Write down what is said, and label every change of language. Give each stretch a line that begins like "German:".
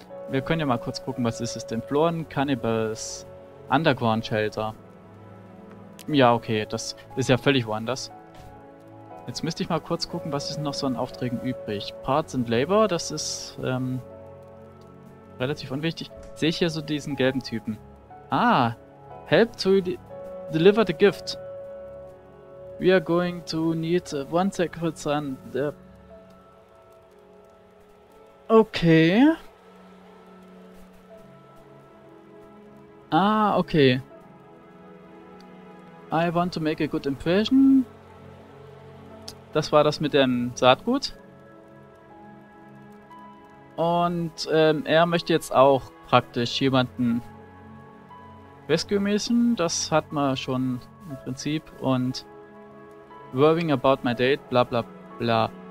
German: Wir können ja mal kurz gucken, was ist es denn? Florian Cannibals Underground Shelter. Ja, okay. Das ist ja völlig woanders. Jetzt müsste ich mal kurz gucken, was ist noch so an Aufträgen übrig. Parts and Labor, das ist... relativ unwichtig. Sehe ich hier so diesen gelben Typen.
English: Ah, help to deliver the gift. We are going to need one sacrifice on the... Okay. Ah, okay. I want to make a good impression.
German: Das war das mit dem Saatgut. Und er möchte jetzt auch praktisch jemanden rescue müssen. Das hat man schon im Prinzip. Und
English: worrying about my date, bla bla bla.